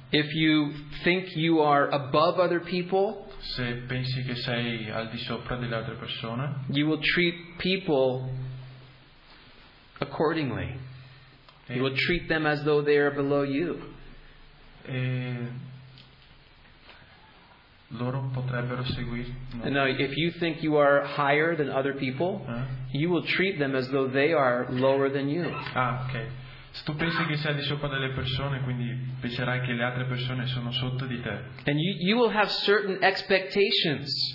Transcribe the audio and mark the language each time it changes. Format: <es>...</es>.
<en>If you think you are above other people,</en> <it>se pensi che sei al di sopra delle altre persone,</it> <en>you will treat people accordingly. You will treat them as though they are below you.</en> <it>Loro potrebbero seguire.</it> <en>No, if you think you are higher than other people, you will treat them as though they are lower than you. Ah, ok.</en> <it>Se tu pensi che sei di sopra delle persone, quindi penserai che le altre persone sono sotto di te.</it> <en>And you will have certain expectations.</en>